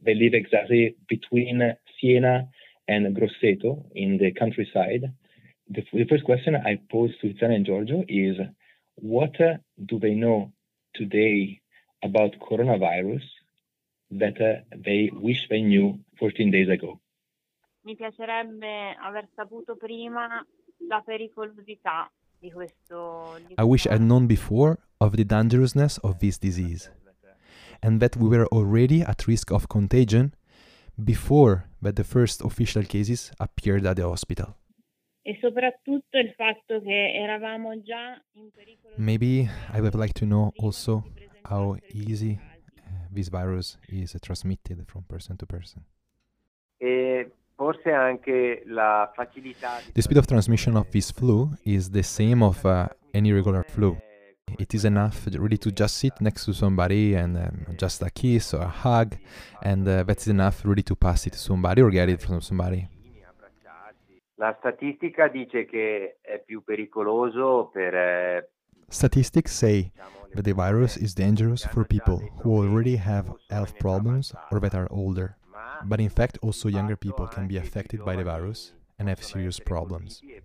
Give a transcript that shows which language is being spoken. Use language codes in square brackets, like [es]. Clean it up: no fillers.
[en] They live exactly between Siena and Grosseto in the countryside. The first question I pose to Tiziana and Giorgio is, what do they know today about coronavirus that they wish they knew 14 days ago? [it] Mi piacerebbe aver saputo prima la pericolosità di questo. [en] I wish I'd known before of the dangerousness of this disease, and that we were already at risk of contagion before that the first official cases appeared at the hospital. [it] E soprattutto il fatto che eravamo già in pericolo. [en] Maybe I would like to know also how easy this virus is transmitted from person to person. [it] E forse anche la facilità. [en] The speed of transmission of this flu is the same of any regular flu. It is enough really to just sit next to somebody and just a kiss or a hug, and that's enough really to pass it to somebody or get it from somebody. [it] La statistica dice che è più pericoloso per. [en] Statistics say that the virus is dangerous for people who already have health problems or that are older. But in fact, also younger people can be affected by the virus and have serious problems.